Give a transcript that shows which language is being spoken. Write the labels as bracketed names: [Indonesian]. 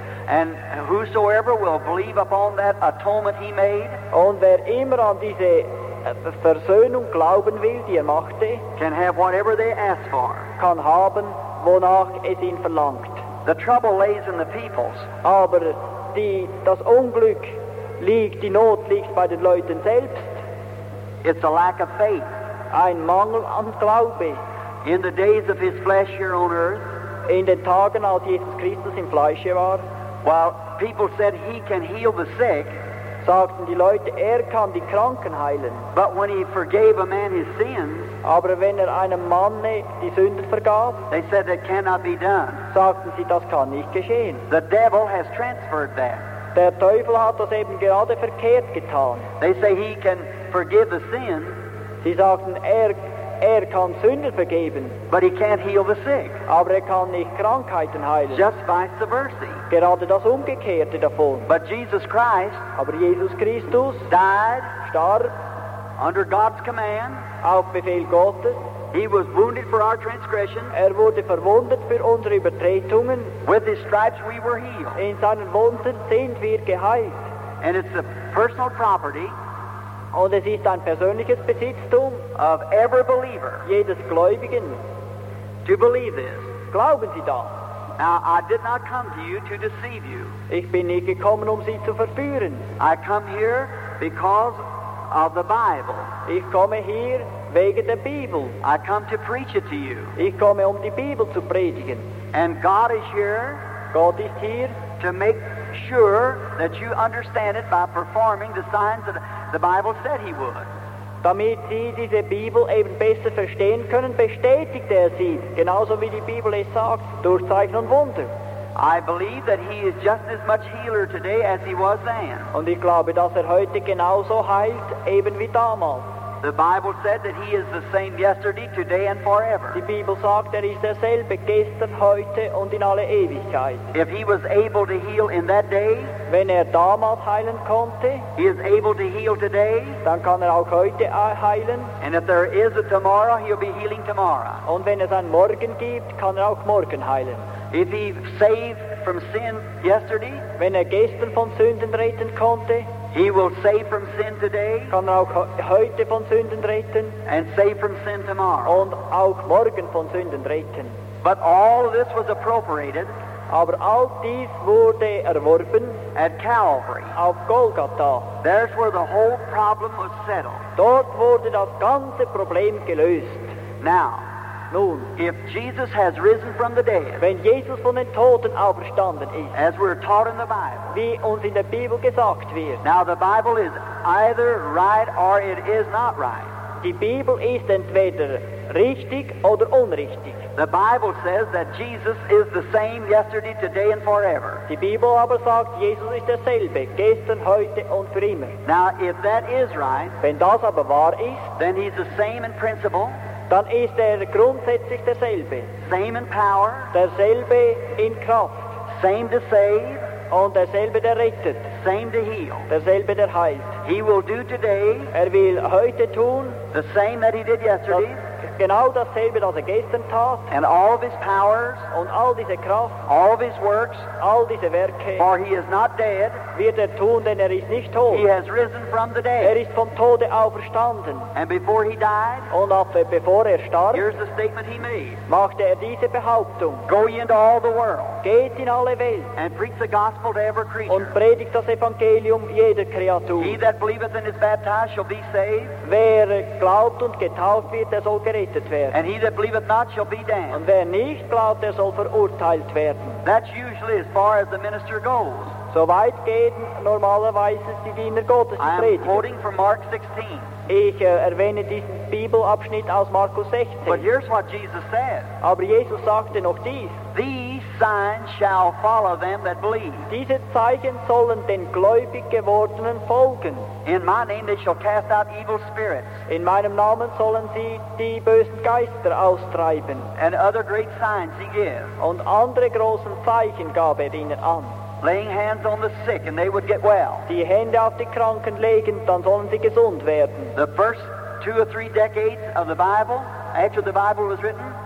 [English] And whosoever will believe upon that atonement he made. [German] Und wer immer an diese Versöhnung glauben will, die er machte. [English] Can have whatever they ask for. [German] Kann haben, wonach es ihn verlangt. [English] The trouble lays in the peoples. [German] Aber das Unglück liegt, die Not liegt bei den Leuten selbst. [English] It's a lack of faith. [German] Ein Mangel an Glaube. [English] In the days of his flesh here on earth, [German] in den Tagen, als Jesus Christus im Fleisch war, [English] while people said he can heal the sick, [German] sagten die Leute, er kann die Kranken heilen. [English] But when he forgave a man his sins, [German] aber wenn er einem Mann die Sünden vergab, [English] they said that cannot be done. [German] Sagten sie, das kann nicht geschehen. [English] The devil has transferred that. [German] Der Teufel hat das eben gerade verkehrt getan. [English] They say he can forgive the sin. [German] Sie sagten, er kann Sünden vergeben. [English] But he can't heal the sick. [German] Aber er kann nicht Krankheiten heilen. [English] Just vice versa. [German] Gerade das Umgekehrte davon. [English] But Jesus Christ, [German] aber Jesus Christus, [English] died, [German] starb, [English] under God's command, [German] auf Befehl Gottes. [English] He was wounded for our transgression. [German] Er wurde verwundet für unsere Übertretungen. [English] With his stripes we were healed. [German] In seinen Wunden sind wir geheilt. [English] And it's a personal property. [German] Und es ist ein persönliches Besitztum [English] of every believer, [German] jedes Gläubigen, [English] to believe this. [German] Glauben Sie das? [English] Now, I did not come to you to deceive you. [German] Ich bin nicht gekommen, Sie zu verführen. [English] I come here because of the Bible. [German] Ich komme hier wegen der Bibel. [English] I come to preach it to you. [German] Ich komme, die Bibel zu predigen. [English] And God is here, [German] Gott ist hier, [English] to make sure that you understand it by performing the signs of the Bible said he would. [German] Damit Sie diese Bibel eben besser verstehen können, bestätigt Sie, genauso wie die Bibel es sagt, durch Zeichen und Wunder. [English] I believe that he is just as much healer today as he was then. [German] Und ich glaube, dass heute genauso heilt, eben wie damals. [English] The Bible said that he is the same yesterday, today and forever. [German] Die Bibel sagt, ist derselbe gestern, heute und in alle Ewigkeit. [English] If he was able to heal in that day, [German] wenn damals heilen konnte, [English] he is able to heal today, [German] dann kann auch heute heilen. [English] And if there is a tomorrow, he'll be healing tomorrow. [German] Und wenn ein Morgen gibt, kann auch morgen heilen. [English] If he saved from sin yesterday, [German] wenn gestern von Sünden retten konnte, [English] he will save from sin today, [German] kann auch heute von Sünden retten, [English] and save from sin tomorrow, [German] und auch morgen von Sünden retten. [English] But all this was appropriated, [German] aber all dies wurde erworben, [English] at Calvary, [German] auf Golgatha. [English] There's where the whole problem was settled. [German] Dort wurde das ganze Problem gelöst. [English] Now, [German] nun, [English] if Jesus has risen from the dead, [German] wenn Jesus von den Toten auferstanden ist, [English] as we're taught in the Bible, [German] wie uns in der Bibel gesagt wird, [English] now the Bible is either right or it is not right. [German] Die Bibel ist entweder richtig oder unrichtig. [English] The Bible says that Jesus is the same yesterday, today and forever. [German] Die Bibel aber sagt, Jesus ist derselbe, gestern, heute und für immer. [English] Now if that is right, [German] wenn das aber wahr ist, [English] then he's the same in principle, [German] dann ist grundsätzlich derselbe. [English] Same in power. [German] Derselbe in Kraft. [English] Same to save. [German] Und derselbe, rettet. [English] same to heal. [German] Derselbe, der heilt. [English] He will do today. [German] Er will heute tun. [English] The same that he did yesterday. [German] Genau dasselbe, das er gestern tat. [English] And all of his powers. [German] Und all diese Kraft. [English] All of his works. [German] All diese Werke. [English] For he is not dead. [German] Wird er tun, denn er ist nicht tot. [English] He has risen from the dead. [German] Er ist vom Tode auferstanden. [English] And before he died. [German] Und bevor er starb. [English] Here's the statement he made. [German] Machte er diese Behauptung. [English] Go ye into all the world. [German] Geht in alle Welt. [English] And preach the gospel to every creature. [German] Und predigt das Evangelium jeder Kreatur. [English] He that believeth and is baptized shall be saved. [German] Wer glaubt und getauft wird, der soll gerettet. [English] And he that believeth not shall be damned. [German] Und wer nicht glaubt, der soll verurteilt werden. [English] That's usually as far as the minister goes. [German] So weit geht normalerweise die Diener Gottes, die Prediger. [English] I am quoting from Mark 16. [German] Ich erwähne diesen Bibelabschnitt aus Markus 16. [English] But here's what Jesus said. [German] Aber Jesus sagte noch dies. [English] These signs shall follow them that believe. [German] Diese Zeichen sollen den gläubig gewordenen folgen. [English] In my name they shall cast out evil spirits. [German] In meinem Namen sollen sie die bösen Geister austreiben. [English] And other great signs he gives. [German] Und andere großen Zeichen gab er ihnen an. [English] Laying hands on the sick and they would get well. [German] Die Hände auf die Kranken legen, dann sollen sie gesund werden. [English] The first two or three decades of the Bible, after the Bible was written.